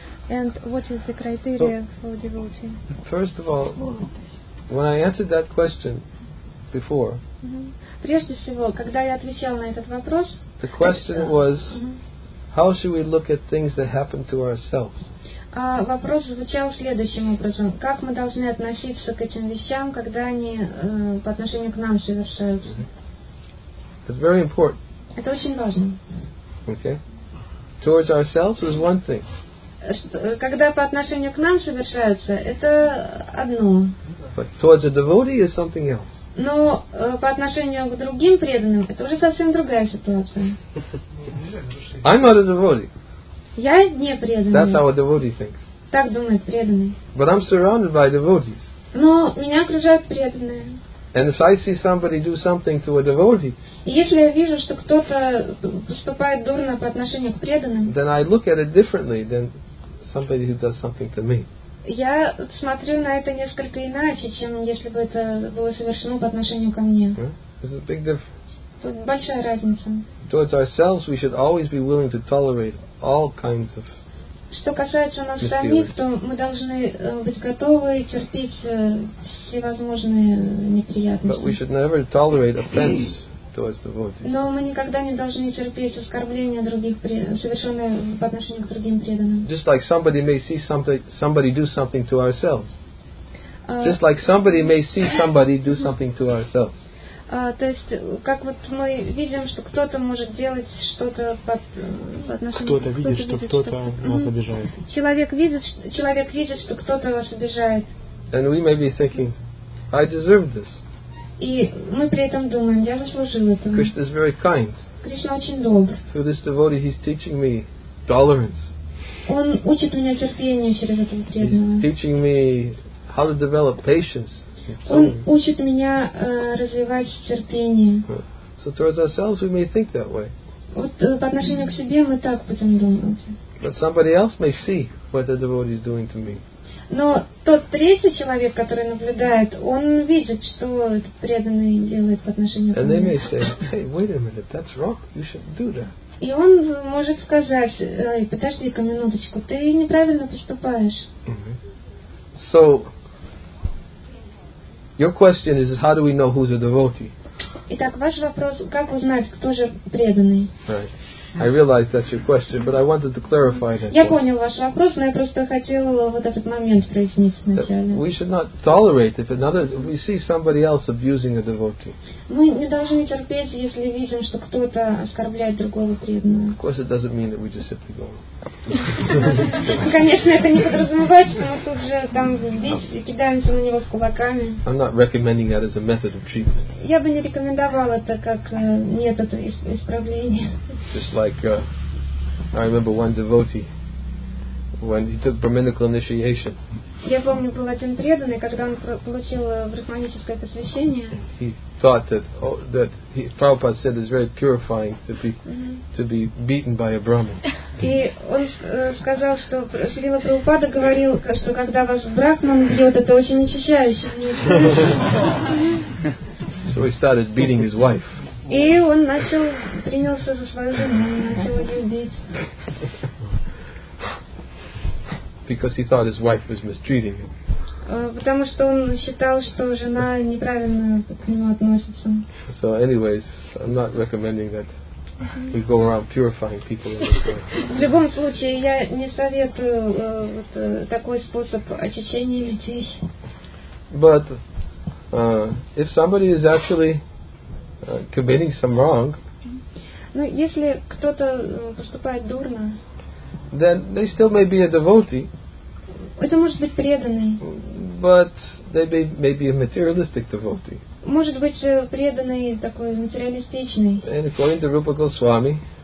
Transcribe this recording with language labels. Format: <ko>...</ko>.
<en>And what is the criteria for a devotee? First of all, when I answered that question before, the question was, how should we look at things that happen to ourselves?</en> <ru>Вопрос звучал следующим образом. Как мы должны относиться к этим вещам, когда они по отношению к нам совершаются?</ru> <en>It's very important.</en> <ru>Это очень важно.</ru> <en>Okay. Towards ourselves is one thing.</en> <ru>Когда по отношению к нам совершаются, это одно.</ru> <en>But towards a devotee is something else.</en> <ru>Но по отношению к другим преданным, это уже совсем другая ситуация.</ru> <en>I'm not a devotee.</en> <ru>Я не преданный.</ru> <en>That's how a devotee thinks.</en> <ru>Так думает преданный.</ru> <en>But I'm surrounded by devotees.</en> <ru>Но меня окружают преданные.</ru> <en>And if I see somebody do something to a devotee,</en> <ru>если я вижу, что кто-то поступает дурно по отношению к преданным,</ru> <en>then I look at it differently than somebody who does something to me.</en> <ru>Я смотрю на это несколько иначе, чем если бы это было совершено по отношению ко мне.</ru> <en>There's a big difference.</en> <ru>Тут большая разница.</ru> <en>Towards ourselves, we should always be willing to tolerate all kinds of.</en> <ru>Что касается нас самих, то мы должны быть готовы терпеть всевозможные неприятности.</ru> <en>But we should never tolerate offense towards the devotees.</en> <ru>Но мы никогда не должны терпеть оскорбления других, совершенные по отношению к другим преданным.</ru> <en>Just like somebody may see somebody do something to ourselves. Just like somebody may see somebody do something to ourselves.</en> <ru>То есть, как вот мы видим, что кто-то может делать что-то по отношению кто-то к кто-то видит, что кто-то нас обижает. Человек видит, что кто-то вас обижает.</ru> <en>And we may be thinking, I deserve this.</en> <ru>И мы при этом думаем, я заслужил это.</ru> <en>Krishna is very kind.</en> <ru>Кришна очень добр.</ru> <en>Through this devotee, he's teaching me tolerance.</en> <ru>Он учит меня терпению через этого преданного.</ru> <en>He's teaching me how to develop patience.</en> <ru>Он учит меня развивать терпение.</ru> <en>So towards ourselves we may think that way.</en> <ru>Вот по отношению к себе мы так будем думать.</ru> <en>But somebody else may see what the devotee is doing to me.</en> <ru>Но тот третий человек, который наблюдает, он видит, что этот преданный делает по отношению к нему.</ru> <en>And they may say, hey, wait a minute, that's wrong, you shouldn't do that.</en> <ru>И он может сказать, подожди-ка минуточку, ты неправильно поступаешь.</ru> <en>So your question is, how do we know who's a devotee?</en> <ru>Итак, ваш вопрос, как узнать, кто же преданный?</ru> <en>Right. I realize that's your question, but I wanted to clarify that.</en> <ru>Я понял ваш вопрос, но я просто хотел вот этот момент прояснить вначале.</ru> <en>We should not tolerate if another we see somebody else abusing a devotee.</en> <ru>Мы не должны терпеть, если видим, что кто-то оскорбляет другого преданного.</ru> <en>Of course, it doesn't mean that we just simply go.</en> <ru>Конечно, это не подразумевает, что мы тут же там бить и кидаемся на него с кулаками.</ru> <en>I'm not recommending that as a method of treatment.</en> <ru>Я бы не рекомендовал это как метод исправления.</ru> <en>Just like I remember one devotee when he took brahminical initiation.</en> <ru>Я помню, был один преданный, когда он получил брахманическое посвящение.</ru> <en>He thought that that he, Prabhupada said is very purifying to be to be beaten by a brahmin.</en> <ru>И он сказал, что Шрила Прабхупада говорил, что когда вас брахман бьет, это очень очищающе.</ru> <en>So he started beating his wife.</en> <ru>И он начал принялся за свою жену, начал ее бить.</ru> <en>Because he thought his wife was mistreating him.</en> <ru>Потому что он считал, что жена неправильно к нему относится.</ru> <en>So anyways, I'm not recommending that we go around purifying people in this way.</en> <ru>В любом случае, я не советую вот такой способ очищения людей.</ru> <en>But if somebody is actually committing some wrong,</en> <ru>ну если кто-то поступает дурно,</ru> <en>then they still may be a devotee.</en> <ru>Это может быть преданный.</ru> <en>But they may be a materialistic devotee.</en> <ru>Может быть преданный такой материалистичный.</ru> <en>And according to Rupa Goswami,</en>